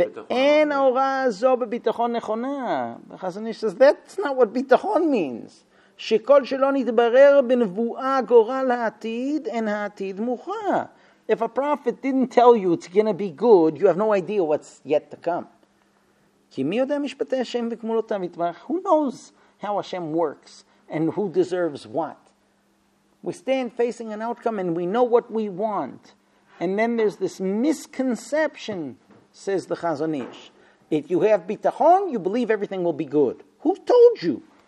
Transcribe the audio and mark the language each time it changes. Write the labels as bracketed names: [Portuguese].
[Hebrew] ואין ההוראה הזו בביטחון נכונה. [English] וחזון איש says, that's not what ביטחון means. [Hebrew] שכל שלא נתברר בנבואה גורל העתיד, אין העתיד מוכרע. [English] If a prophet didn't tell you it's going to be good, you have no idea what's yet to come. [Hebrew] כי מי יודע משפטי השם וכמולותיו יתברך? [English] Who knows how Hashem works and who deserves what? We stand facing an outcome and we know what we want. And then there's this misconception, says the Chazon Ish. If you have bitachon, you believe everything will be good. Who told you?